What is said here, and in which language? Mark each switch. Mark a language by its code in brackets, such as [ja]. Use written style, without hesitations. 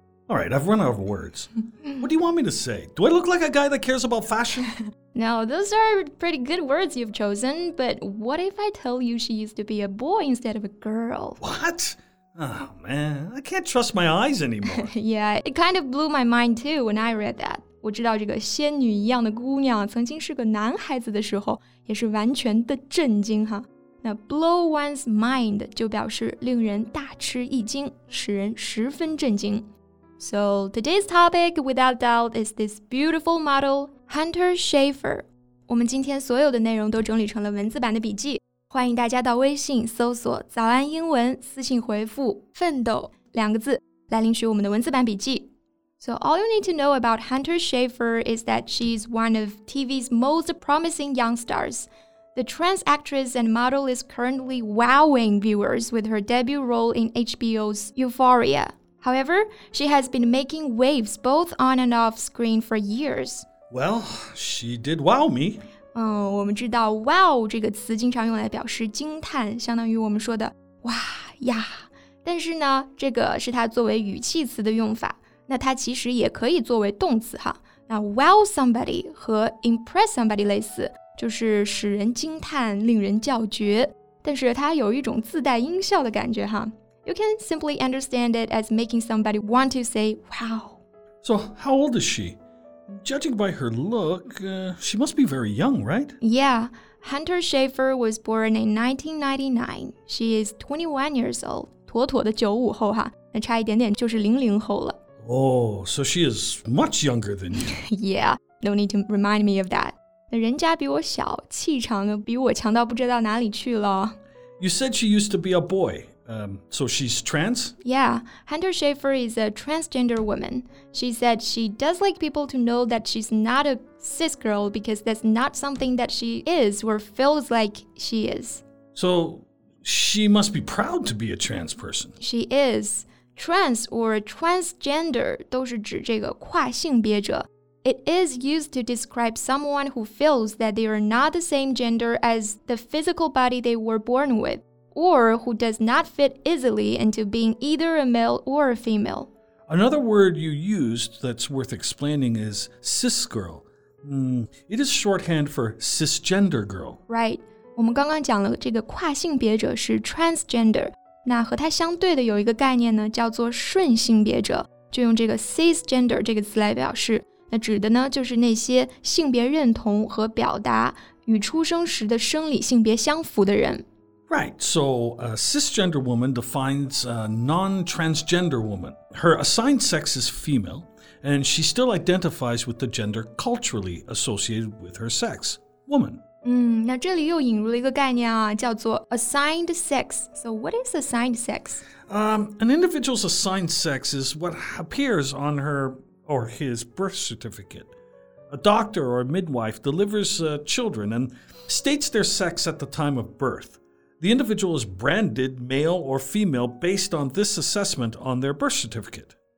[en] All right, I've run out of words. What do you want me to say? Do I look like a guy that cares about fashion? No, those are pretty good words you've chosen, but what if I tell you she used to be a boy instead of a girl? What? Oh, man, I can't trust my eyes anymore. Yeah, it kind of blew my mind, too, when I read that. [zh] 我知道这个仙女一样的姑娘曾经是个男孩子的时候也是完全的震惊哈。那 [en] blow one's mind [zh] 就表示令人大吃一惊,使人十分震惊。 [en] So, today's topic, without doubt, is this beautiful model, Hunter Schafer. [zh] 我们今天所有的内容都整理成了文字版的笔记。欢迎大家到微信搜索早安英文私信回复奋斗两个字来领取我们的文字版笔记。 [en] So all you need to know about Hunter Schafer is that she's one of TV's most promising young stars. The trans actress and model is currently wowing viewers with her debut role in HBO's Euphoria. However, she has been making waves both on and off screen for years. Well, she did wow me. [zh] 我们知道 wow 这个词经常用来表示惊叹，相当于我们说的哇呀。但是呢，这个是它作为语气词的用法，那它其实也可以作为动词哈。那 [en] wow somebody [zh] 和 [en] impress somebody [zh] 类似，就是使人惊叹，令人叫绝。但是它有一种自带音效的感觉哈。 [en] You can simply understand it as making somebody want to say wow. So how old is she? Judging by her look, she must be very young, right? Yeah, Hunter Schafer was born in 1999. She is 21 years old. [zh] 妥妥的九五后哈，那差一点点就是零零后了。 [en] Oh, so she is much younger than you. Yeah, no need to remind me of that. [zh] 那人家比我小，气场呢比我强到不知道哪里去了。 [en] You said she used to be a boy. So she's trans? Yeah, Hunter Schafer is a transgender woman. She said she does like people to know that she's not a cis girl because that's not something that she is or feels like she is. So she must be proud to be a trans person. She is. Trans or transgender [zh] 都是指这个跨性别者。 [en] It is used to describe someone who feels that they are not the same gender as the physical body they were born with. Or who does not fit easily into being either a male or a female. Another word you used that's worth explaining is cis girl. It is shorthand for cisgender girl. Right. [zh] 我们刚刚讲了这个跨性别者是 transgender. 那和它相对的有一个概念呢叫做顺性别者。就用这个 cisgender 这个词来表示。那指的呢就是那些性别认同和表达与出生时的生理性别相符的人。 [en] Right, so a cisgender woman defines a non-transgender woman. Her assigned sex is female, and she still identifies with the gender culturally associated with her sex, woman. [zh] 那这里又引入了一个概念啊，叫做 assigned sex. [en] So what is assigned sex? An individual's assigned sex is what appears on her or his birth certificate. A doctor or a midwife delivers children and states their sex at the time of birth. The individual is branded male or female based on this assessment on their birth certificate.